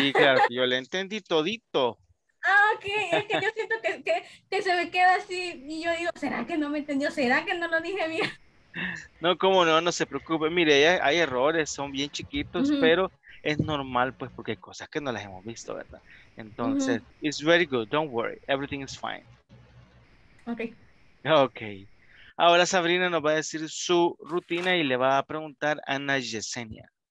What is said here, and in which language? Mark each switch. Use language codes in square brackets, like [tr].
[es] Sí, claro, yo le entendí todito. Ah, ok, es que yo siento que se me queda así y yo digo, ¿será que no me entendió? ¿Será que no lo dije bien? No, cómo no, no se preocupe. Mire, hay errores, son bien chiquitos, uh-huh. Pero es normal, pues, porque hay cosas que no las hemos visto, ¿verdad? Entonces, uh-huh. [en] It's very good, don't worry, everything is fine. Okay. Okay. [es] Ahora Sabrina nos va a decir su rutina y le va a preguntar a Ana Yesenia.